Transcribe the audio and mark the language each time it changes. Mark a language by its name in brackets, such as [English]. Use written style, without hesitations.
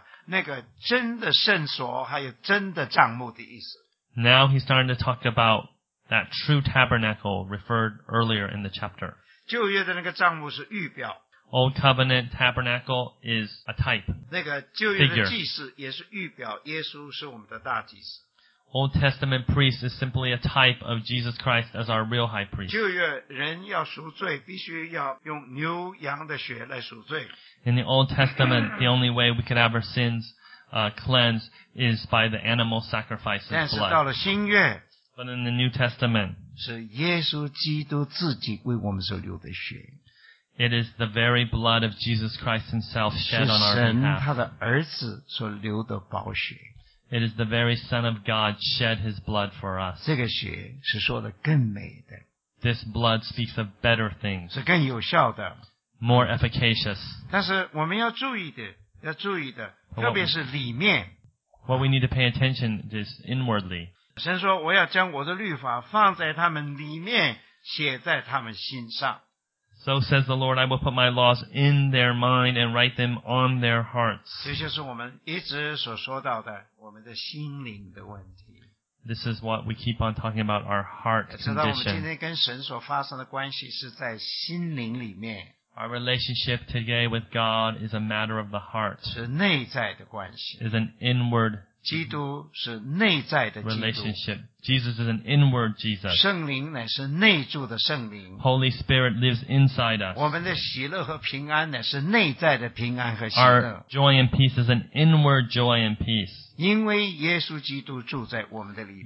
[Chinese] 那个真的圣所还有真的帐幕的意思。 [English] Now he's starting to talk about that true tabernacle referred earlier in the chapter. [Chinese] 旧约的那个帐幕是预表。 [English] Old covenant tabernacle is a type. [Chinese] 那个旧约的祭司也是预表耶稣是我们的大祭司。 [English] Old Testament priest is simply a type of Jesus Christ as our real high priest. [Chinese] 旧约人要赎罪必须要用牛羊的血来赎罪。 [English] In the Old Testament, the only way we could have our sins cleansed is by the animal sacrifice's blood. [Chinese] 但是到了新约, [English] but in the New Testament, [Chinese] 是耶稣基督自己为我们所流的血。 [English] It is the very blood of Jesus Christ himself shed on our behalf. [Chinese] 是神他的儿子所流的宝血。 [English] It is the very Son of God shed his blood for us. [Chinese] 这个血是说的更美的。 [English] This blood speaks of better things. [Chinese] 是更有效的。 [English] More efficacious. [Chinese] 但是我们要注意的，要注意的，特别是里面。 [English] What we need to pay attention to is inwardly. [Chinese] 神说，我要将我的律法放在他们里面，写在他们心上。 [English] So says the Lord, I will put my laws in their mind and write them on their hearts. [Chinese] 这就是我们一直所说到的，我们的心灵的问题。 [English] This is what we keep on talking about, our heart condition. [Chinese] 知道我们今天跟神所发生的关系是在心灵里面。 [English] Our relationship today with God is a matter of the heart. [Chinese] 是内在的关系。 [English] Is an inward. [Chinese] 基督是内在的基督。 [English] Relationship. Jesus is an inward Jesus. [Chinese] 圣灵乃是内住的圣灵。 [English] Holy Spirit lives inside us. [Chinese] 我们的喜乐和平安乃是内在的平安和喜乐。 [English] Our joy and peace is an inward joy and peace. [Chinese] 因为耶稣基督住在我们的里面。